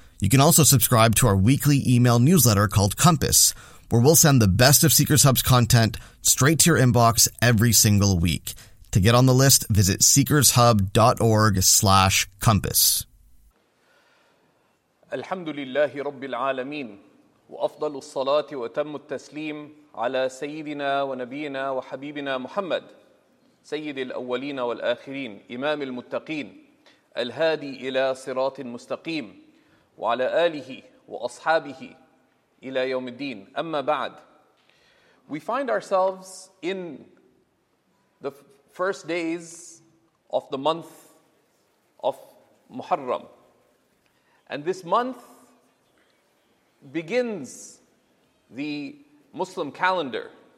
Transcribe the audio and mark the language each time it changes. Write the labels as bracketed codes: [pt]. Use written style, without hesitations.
[en] You can also subscribe to our weekly email newsletter called Compass, where we'll send the best of Seekers Hub's content straight to your inbox every single week. To get on the list, visit seekershub.org/compass. [ar] Alhamdulillahi Rabbil Alameen. وأفضل الصلاة وتم التسليم على سيدنا ونبينا وحبيبنا محمد سيد الأولين والآخرين إمام المتقين الهادي إلى صراط مستقيم وعلى آله وأصحابه إلى يوم الدين أما بعد. [en] We find ourselves in the first days of the month of Muharram, and this month begins the Muslim calendar.